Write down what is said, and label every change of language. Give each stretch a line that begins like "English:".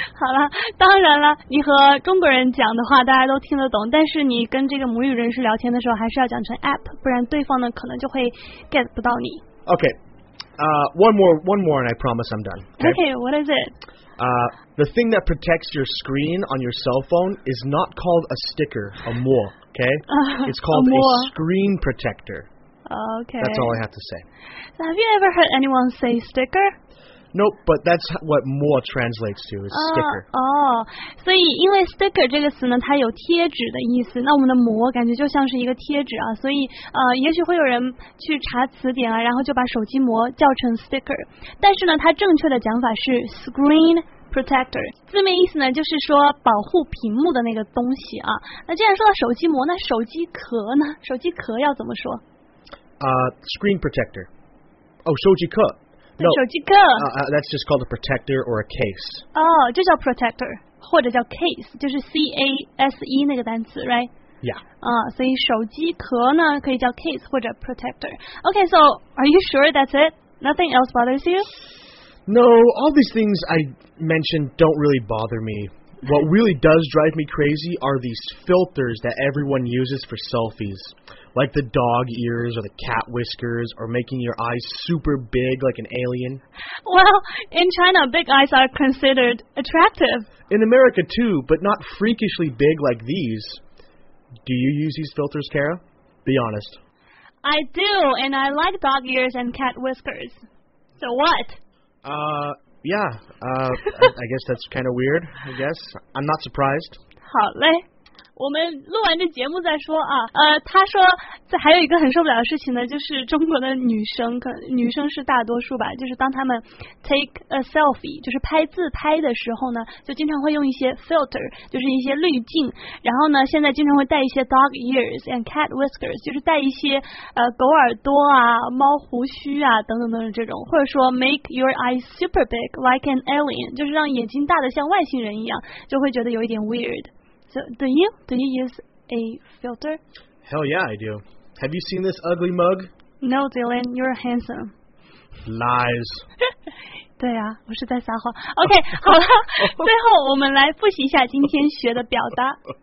Chinese: 好了，当然了，你和中国人讲的话大家都听得懂，但是你跟这个母语人士聊天的时候还是要讲成 app， 不然对方呢可能就会 get 不到你。
English: Okay, one more, and I promise I'm done. Okay, what is it? The thing that protects your screen on your cell phone is not called a sticker, a more. Okay, it's called a screen protector. Okay, that's all I have to say. So have you ever heard anyone say sticker? Nope, but that's what more translates to, is sticker.
Chinese: 所以因为 sticker 这个词呢，它有贴纸的意思，那我们的膜感觉就像是一个贴纸啊，所以也许会有人去查词典啊，然后就把手机膜叫成 sticker， 但是呢，它正确的讲法是 screen protector， 字面意思呢，就是说保护屏幕的那个东西啊。那既然说到手机膜，那手机壳呢？手机壳要怎么说？
English: Screen protector. Oh,
Chinese: 手机壳。 No, 手机壳。
English: That's just called a protector or a case.
Chinese: 哦，就叫 protector， 或者叫 case， 就是 C-A-S-E 那个单词 ，right？
English: Yeah.
Chinese: 所以手机壳呢可以叫 case 或者 protector.
English: Okay, so are you sure that's it? Nothing else bothers you? No, all these things I mentioned don't really bother me. What really does drive me crazy are these filters that everyone uses for selfies. Like the dog ears or the cat whiskers or making your eyes super big like an alien. Well, in China, big eyes are considered attractive. In America too, but not freakishly big like these. Do you use these filters, Kara? Be honest. I do, and I like dog ears and cat whiskers. So what? I guess that's kind of weird, I guess. I'm not surprised.
Chinese: 好嘞，我们录完这节目再说啊。他说这还有一个很受不了的事情呢，就是中国的女生，可能女生是大多数吧，就是当他们
English: take a selfie，
Chinese: 就是拍自拍的时候呢，就经常会用一些 filter， 就是一些滤镜，然后呢现在经常会戴一些
English: dog ears and cat whiskers，
Chinese: 就是戴一些狗耳朵啊、猫胡须啊等等等等这种，或者说
English: make your eyes super big like an alien，
Chinese: 就是让眼睛大得像外星人一样，就会觉得有一点 weird。
English: So, do you use a filter? Hell yeah, I do. Have you seen this ugly mug? No, Dylan, you're handsome. Lies.
Chinese: 对啊，我是在撒谎。 OK, 好了，最后我们来复习一下今天学的表达。